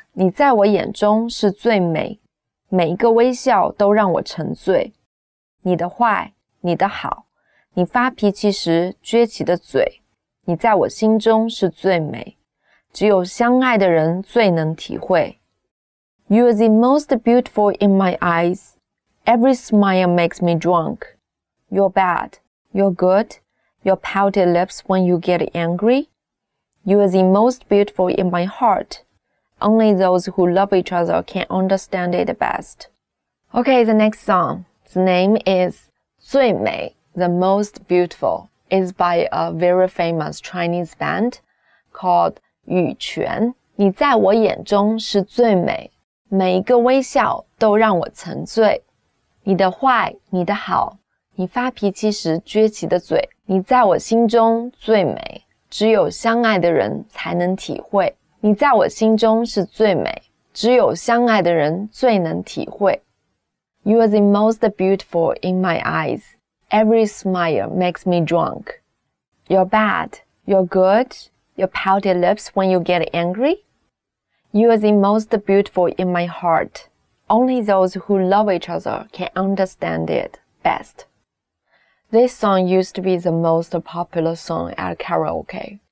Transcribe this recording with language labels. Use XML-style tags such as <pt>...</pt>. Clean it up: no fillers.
<zh>你在我眼中是最美，每一个微笑都让我沉醉。你的坏，你的好，你发脾气时撅起的嘴，你在我心中是最美，只有相爱的人最能体会。</zh> <en>You are the most beautiful in my eyes. Every smile makes me drunk. You're bad. You're good. Your pouted lips when you get angry. You are the most beautiful in my heart. Only those who love each other can understand it best. Okay, the next song. The name is 最美 The Most Beautiful. It's by a very famous Chinese band called 羽泉</en> <zh>你在我眼中是最美每一个微笑都让我沉醉你的坏你的好你发脾气时撅起的嘴你在我心中最美只有相爱的人才能体会你在我心中是最美只有相爱的人最能体会</zh> <en>You are the most beautiful in my eyes Every smile makes me drunk You're bad, you're good Your pouted lips when you get angry You are the most beautiful in my heart Only those who love each other can understand it bestThis song used to be the most popular song at karaoke.</en>